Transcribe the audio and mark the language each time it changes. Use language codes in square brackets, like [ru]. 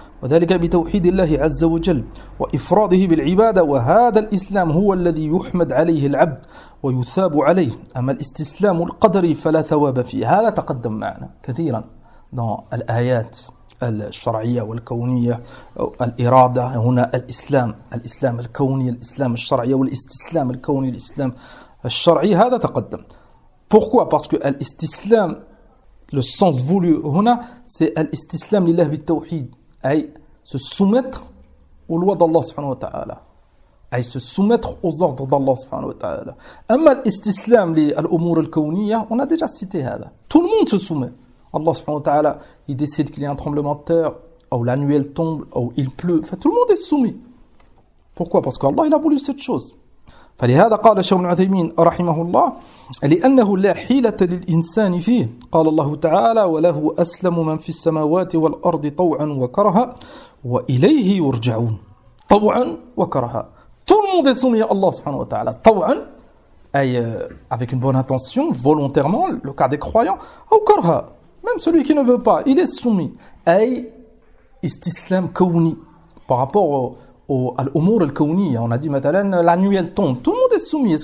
[ar] وذلك بتوحيد الله عز وجل وإفراده بالعبادة وهذا الإسلام هو الذي يحمد عليه العبد ويثاب عليه أما الاستسلام القدري فلا ثواب فيه. هذا تقدم معنا كثيرا الآيات الشرعية والكونية الإرادة هنا الإسلام الإسلام الكوني الإسلام الشرعي والاستسلام الكوني الإسلام الشرعي هذا تقدم. [fr] Pourquoi? Parce que الاستسلام le sens voulu هنا c'est [ar] الاستسلام لله بالتوحيد. [fr] Aïe, se soumettre aux lois d'Allah subhanahu wa ta'ala. Aïe, se soumettre aux ordres d'Allah subhanahu wa ta'ala. [ar] Amma al-istislam li al-umur al-kawniya, [fr] on a déjà cité ça. Tout le monde se soumet. Allah subhanahu wa ta'ala, il décide qu'il y a un tremblement de terre, ou la nuit elle tombe, ou il pleut. Enfin, tout le monde est soumis. Pourquoi? Parce qu'Allah, il a voulu cette chose. [ar] فلهذا قال الشيخ ابن عثيمين رحمه الله لأنه لا حيلة للإنسان فيه قال الله تعالى وله أسلم من في السماوات والأرض طوعا وكرها وإليه يرجعون طوعا وكرها. [fr] Tout le monde est soumis à Allah subhanahu wa ta'ala. [ar] طوعا أي [fr] avec une bonne intention volontairement le cas des croyants [ar] أو كرها [fr] même celui qui ne veut pas il est soumis [ar] أي استسلام كوني [fr] par rapport au l'umour al-kawni, on a dit matalan, la nuit elle tombe, tout le monde est soumis.